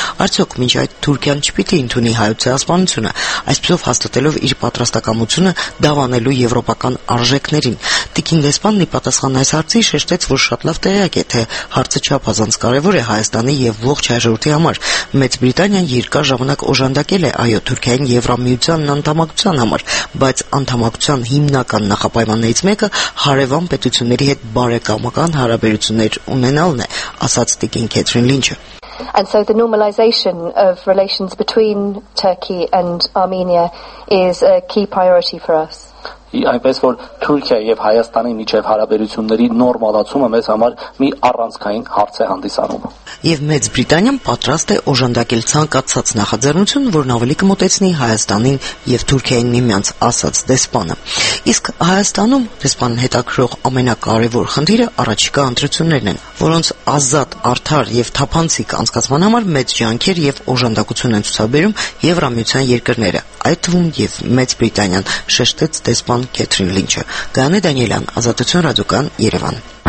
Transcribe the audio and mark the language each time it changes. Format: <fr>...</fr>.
<hy>Արդյոք մինչ այդ Թուրքիան չպիտի ընդունի հայցեհասպանությունը, այսպիսով հաստատելով իր պատրաստակամությունը դավանելու եվրոպական արժեքներին։ Տիկին դեսպանն ի պատասխան այս հարցի շեշտեց, որ շատ լավ տեղյակ է, թե հարցը չափազանց կարևոր է Հայաստանի եւ ողջ հայրենիքի համար։ Մեծ Բրիտանիան երկար ժամանակ օժանդակել է այո Թուրքիային Եվրամիության անդամակցության համար, բայց անդամակցության հիմնական նախապայմաններից մեկը հարևան պետությունների հետ բարեկամական հարաբերություններ ունենալն է, ասաց Տիկին Քեթրին Լինչը։</hy> <en>And so the normalization of relations between Turkey and Armenia is a key priority for us.</en> <hy>Այնպես որ Թուրքիա եւ Հայաստանի միջև հարաբերությունների նորմալացումը մեզ համար մի առանցքային հարց է հանդիսանում։ Եվ Մեծ Բրիտանիան պատրաստ է օժանդակել ցանկացած նախաձեռնություն, որն ավելի կմոտեցնի Հայաստանին եւ Թուրքիային միմյանց, ասաց դեսպանը։ Իսկ Հայաստանում դեսպանն հետաքրող ամենակարևոր խնդիրը առաջիկա ընտրություններն են, որոնց ազատ, արդար եւ թափանցիկ անցկացման համար մեծ ջանքեր եւ օժանդակություն են ցուցաբերում Եվրամիության երկրները, այդ թվում եւ Մեծ Բրիտանիան, շեշտեց դեսպան Քեթրին Լինչը։ Գանե Դանիելյան, Ազատություն ռադիոկան, Երևան։</hy>